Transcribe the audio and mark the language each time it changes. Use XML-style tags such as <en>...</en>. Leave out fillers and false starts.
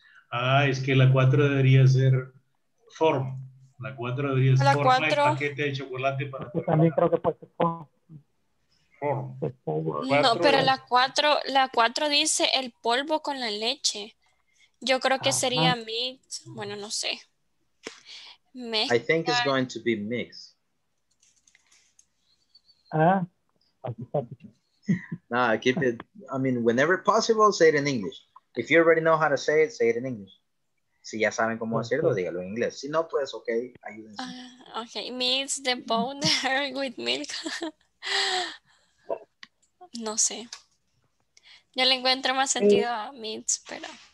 <es>Ah, es que la cuatro debería ser</es> <en>form.</en> <es>La cuatro debería ser la form. Cuatro... El paquete de chocolate para... Yo también creo que puede ser</es> <en>form.</en> <es>No, pero la 4 dice el polvo con la leche. Yo creo que sería</es> <en>mix.</en> <es>Bueno, no sé. Mezclar.</es> <en>I think it's going to be mix. Nah, keep it. I mean, whenever possible, say it in English. If you already know how to say it in English.</en> <es>Si ya saben cómo hacerlo, dígalo en inglés. Si no, pues, ok, ayúdense.</es> <en>Okay, mix the butter with milk.</en> <es>No sé. Yo le encuentro más sentido a</es> <en>mix,</en> <es>pero...</es>